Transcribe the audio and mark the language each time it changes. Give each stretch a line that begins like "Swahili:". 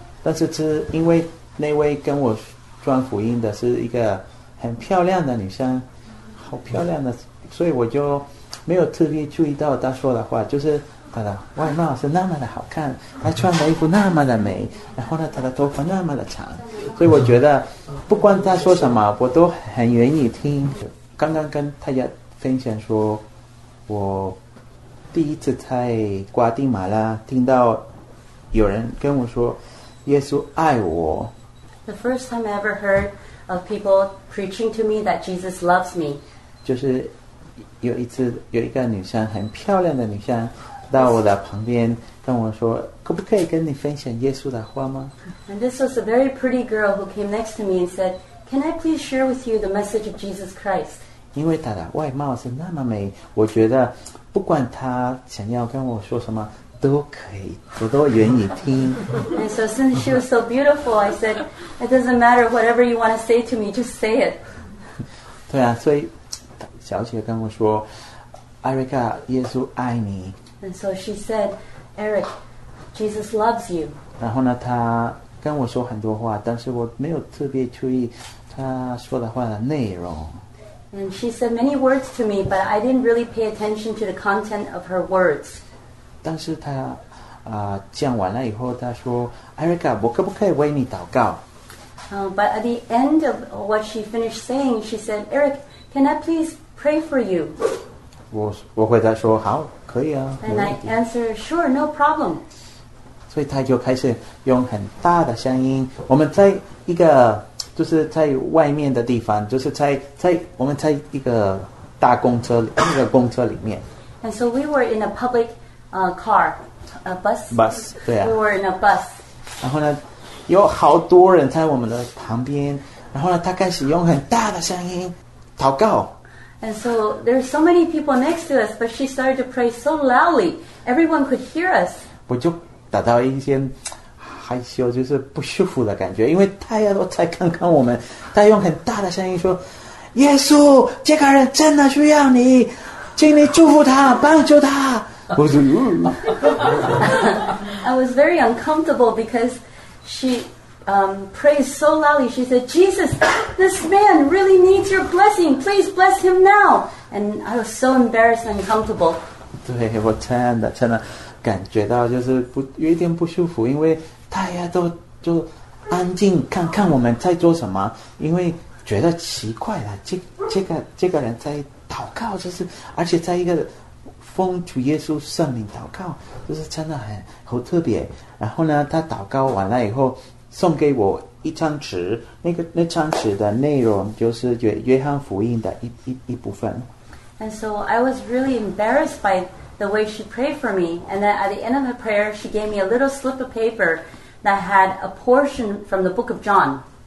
Chinese: 但是，是因为那位跟我传福音的是一个很漂亮的女生，好漂亮的，所以我就没有特别注意到她说的话，就是她的外貌是那么的好看，她穿的衣服那么的美，然后呢，她的头发那么的长，所以我觉得不管她说什么，我都很愿意听。刚刚跟大家分享说，我第一次在瓜地马拉听到有人跟我说。耶稣爱我。
English: The first time I ever heard of people preaching to me that Jesus loves me.
Chinese: 就是有一次，有一个女生，很漂亮的女生，到我的旁边跟我说：“可不可以跟你分享耶稣的话吗
English: And this was a very pretty girl who came next to me and said, "Can I please share with you the message of Jesus Christ?" ？”
Chinese: 因为她的外貌是那么美，我觉得不管她想要跟我说什么。都可以，我都愿意听。
English: And so, since she was so beautiful, I said, "It doesn't matter whatever you want to say to me, just say it."
Chinese: 对啊，所以小姐跟我说，艾瑞卡，耶稣爱你。
English: And so she said, "Eric, Jesus loves you."
Chinese: 然后呢，她跟我说很多话，但是我没有特别注意她说的话的内容。
English: And she said many words to me, but I didn't really pay attention to the content of her words.
Chinese: 但是他，讲完了以后，他说：“Erica，我可不可以为你祷告
English: But at the end of what she finished saying, she said, "Eric, can I please pray for you?"
Chinese: 我回答说：“好，可以啊，
English: And
Chinese: 没问
English: I
Chinese: 题。
English: answered, "Sure, no problem."
Chinese: ”所以他就开始用很大的声音，我们在一个就是在外面的地方，就是我们在一个大公车里，那个公车里面。
English: And so we were in a public car, a bus.
Chinese: bus 对啊，
English: We were in a bus.
Chinese: 然后呢，有好多人在我们的旁边，然后呢，他开始用很大的声音祷告。
English: And so there are so many people next to us, but she started to pray so loudly, everyone could hear us.
Chinese: 我就达到一些害羞，就是不舒服的感觉，因为大家都在看看我们，他用很大的声音说：“耶稣，这个人真的需要你，请你祝福他，帮助他。” 我说
English: I was very uncomfortable because she prays so loudly. She said, "Jesus, this man really needs your blessing. Please bless him now." And I was so embarrassed and uncomfortable.
Chinese: 对，我真的感觉到就是不有一点不舒服，因为大家都就安静看看我们在做什么，因为觉得奇怪了，这个人在祷告，就是而且在一个。奉主耶稣圣名祷告，就是真的很特别。然后呢，他祷告完了以后，送给我一张纸，那张纸的内容就是约翰福音的一部分。
English: And so I was really embarrassed by the way she prayed for me. And then at the end of the prayer, she gave me a little slip of paper that had a portion from the book of John.